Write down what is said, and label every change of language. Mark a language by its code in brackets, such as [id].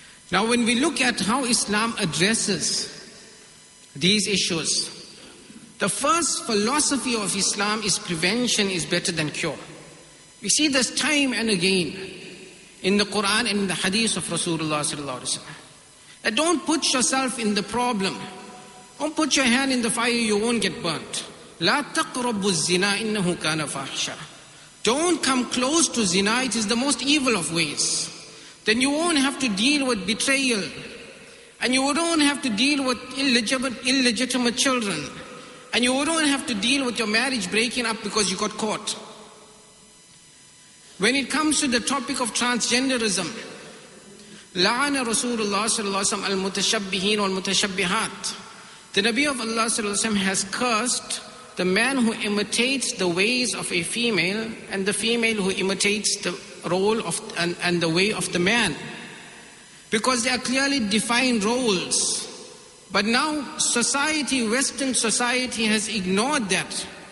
[en] Now when we look at how Islam addresses these issues, the first philosophy of Islam is prevention is better than cure. We see this time and again in the Quran and in the hadith of Rasulullah sallallahu alaihi wasallam. That don't put yourself in the problem. Don't put your hand in the fire, you won't get burnt. [ar] لا تقربوا الزنا إنه كان فاحشا. [en] Don't come close to zina, it is the most evil of ways. Then you won't have to deal with betrayal. And you don't have to deal with illegitimate children. And you don't have to deal with your marriage breaking up because you got caught. When it comes to the topic of transgenderism, [ar] لعن رسول الله صلى الله عليه وسلم المتشبهين والمتشبهات. [en] The Nabi of Allah [ar] صلى الله عليه وسلم [en] has cursed the man who imitates the ways of a female and the female who imitates the role of and the way of the man. Because they are clearly defined roles. But now society, Western society, has ignored that.